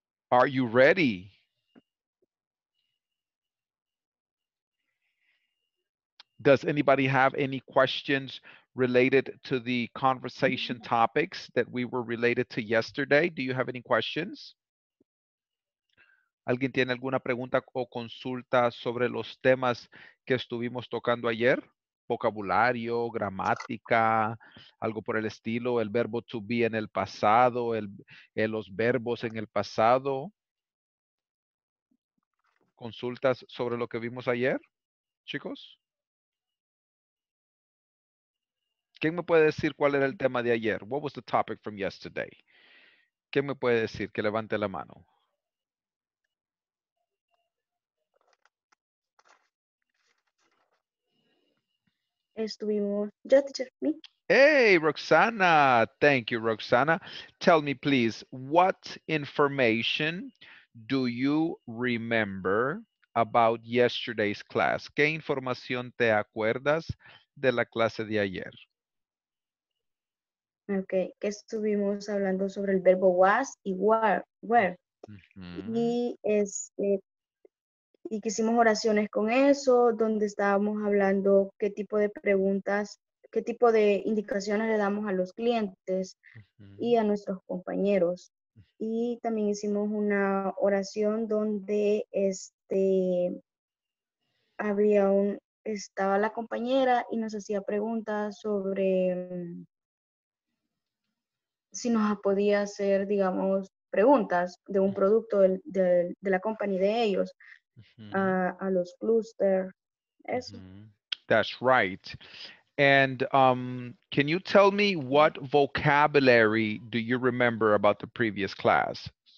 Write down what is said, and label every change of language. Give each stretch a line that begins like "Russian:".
English: Are you ready? Does anybody have any questions related to the conversation topics that we were related to yesterday? Do you have any questions?
Spanish: ¿Alguien tiene alguna pregunta o consulta sobre los temas que estuvimos tocando ayer? Vocabulario, gramática, algo por el estilo, el verbo to be en el pasado, los verbos en el pasado. ¿Consultas sobre lo que vimos ayer, chicos? ¿Quién me puede decir cuál era el tema de ayer?
English: What was the topic from yesterday?
Spanish: ¿Quién me puede decir? Que levante la mano. Estuvimos. Yo, teacher, me.
English: Hey, Roxana. Thank you, Roxana. Tell me, please, what information do you remember about yesterday's class?
Spanish: ¿Qué información te acuerdas de la clase de ayer? Okay, que estuvimos hablando sobre el verbo was y were. Uh-huh. Y que hicimos oraciones con eso, donde estábamos hablando qué tipo de preguntas, qué tipo de indicaciones le damos a los clientes uh-huh. y a nuestros compañeros. Y también hicimos una oración donde estaba la compañera y nos hacía preguntas sobre si nos podía hacer, digamos, preguntas de un producto de la compañía de ellos, a los clusters, eso. Mm-hmm.
English: That's right. And can you tell me what vocabulary do you remember about the previous class?